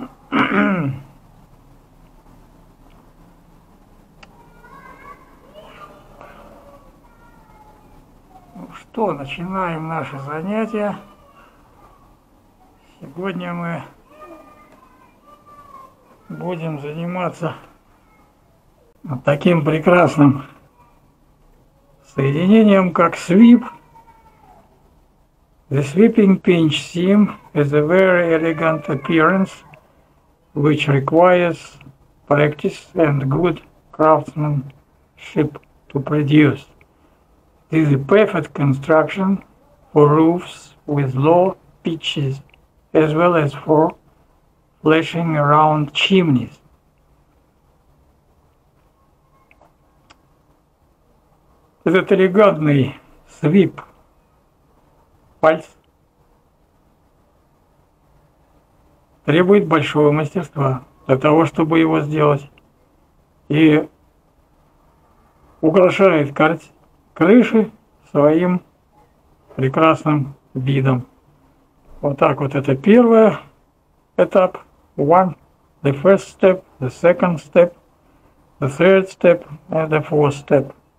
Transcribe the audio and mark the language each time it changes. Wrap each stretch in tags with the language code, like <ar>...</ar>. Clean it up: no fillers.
<ru>Ну что, начинаем наше занятие. Сегодня мы будем заниматься вот таким прекрасным соединением, как свип.</ru> <en>The sweeping pinch seam has a very elegant appearance, which requires practice and good craftsmanship to produce. This is a perfect construction for roofs with low pitches, as well as for flashing around chimneys.</en> <ru>Этот элегантный sweep. Пальц требует большого мастерства для того, чтобы его сделать. И украшает крыши своим прекрасным видом. Вот так вот это первый этап.</ru> <en>One, the first step, the second step, the third step and the fourth step.</en>